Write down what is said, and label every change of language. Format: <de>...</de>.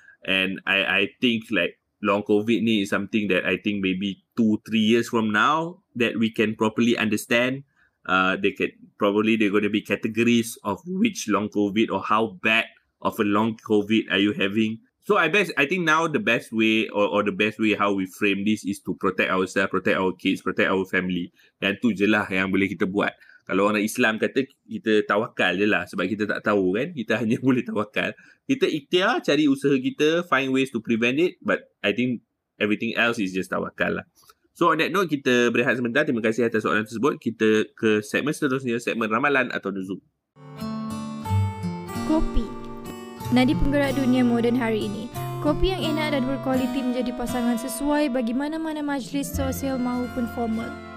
<en>And I think like long COVID ni is something that I think maybe 2-3 years from now that we can properly understand. Probably they're going to be categories of which long COVID or how bad of a long COVID are you having. So I think now the best way or the best way how we frame this is to protect ourselves, protect our kids, protect our family.</en> <ms>Yang tu je lah yang boleh kita buat. Kalau orang Islam kata kita tawakal je lah sebab kita tak tahu kan. Kita hanya boleh tawakal. Kita ikhtiar, cari usaha kita,</ms> <en>find ways to prevent it. But I think everything else is just tawakal lah. So on that note,</en> <ms>kita berehat sebentar. Terima kasih atas soalan tersebut. Kita ke segmen seterusnya, segmen Ramalan atau Nuzul. Kopi. Nadi penggerak dunia moden hari ini. Kopi yang enak dan berkualiti menjadi pasangan sesuai bagi mana-mana majlis sosial maupun formal.</ms>